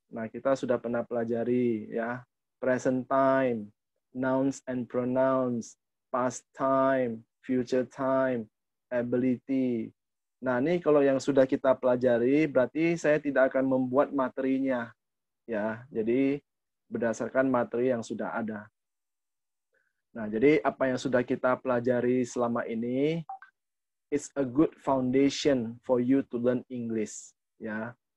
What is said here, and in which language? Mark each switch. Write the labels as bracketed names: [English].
[Indonesian] Nah, kita sudah pernah pelajari ya. [English] Present time, nouns and pronouns, past time, future time, ability. [Indonesian] Nah, ini kalau yang sudah kita pelajari, berarti saya tidak akan membuat materinya. Ya, jadi berdasarkan materi yang sudah ada. Nah, jadi apa yang sudah kita pelajari selama ini, [English] it's a good foundation for you to learn English. [Indonesian] Ya.